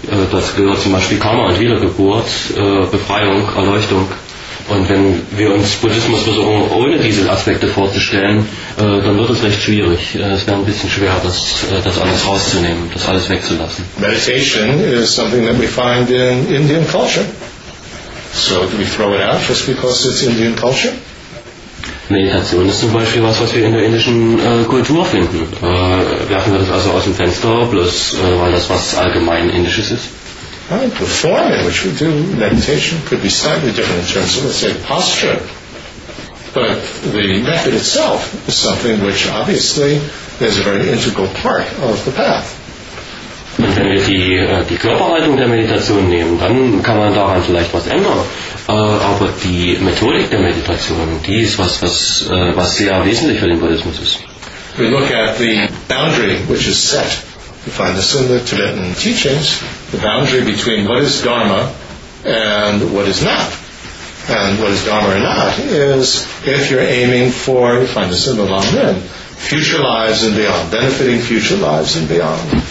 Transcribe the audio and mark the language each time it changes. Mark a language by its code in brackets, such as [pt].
[de] Das gehört zum Beispiel Karma und Wiedergeburt, Befreiung, Erleuchtung. Und wenn wir uns Buddhismus versuchen, ohne diese Aspekte vorzustellen, dann wird es recht schwierig. Es wäre ein bisschen schwer, das alles rauszunehmen, das alles wegzulassen. [en] Meditation is something that we find in Indian culture. So do we throw it out just because it's Indian culture? [de] Meditation ist zum Beispiel was wir in der indischen Kultur finden. Werfen wir das also aus dem Fenster, bloß weil das was allgemein Indisches ist? [en] Right. The form in which we do meditation could be slightly different in terms of, let's say, posture. But the method itself is something which obviously is a very integral part of the path. [de] Und wenn wir die Körperhaltung der Meditation nehmen, dann kann man daran vielleicht was ändern. Aber die Methodik der Meditation, die ist was sehr wesentlich für den Buddhismus ist. [en] we look at the boundary which is set. We find this in the Tibetan teachings, the boundary between what is Dharma and what is not. And what is Dharma or not is if you're aiming for, you find this in the Lam Rim, future lives and beyond, benefiting future lives and beyond.